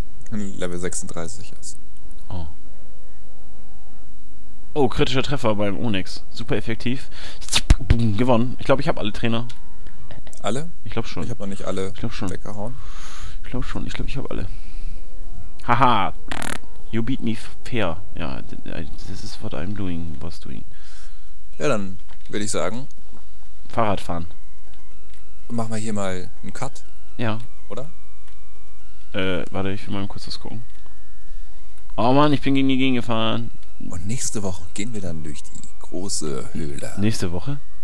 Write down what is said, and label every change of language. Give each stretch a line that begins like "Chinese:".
German: Level 36 ist. Oh. Oh, kritischer Treffer beim Onix. Super effektiv. Boom, gewonnen. Ich glaube, ich habe alle Trainer. Alle? Ich glaube schon. Ich habe noch nicht alle weggehauen. Ich glaube schon. Ich glaube, ich habe alle.
English: Haha. You beat me fair. Ja, this is what I'm doing, was doing.
German: Ja, dann würde ich sagen. Fahrrad fahren. Machen wir hier mal einen Cut. Ja. Oder? Warte, ich will mal kurz was gucken. Oh Mann, ich bin gegen die Gegend gefahren. Und nächste Woche gehen wir dann durch die große Höhle. Nächste Woche?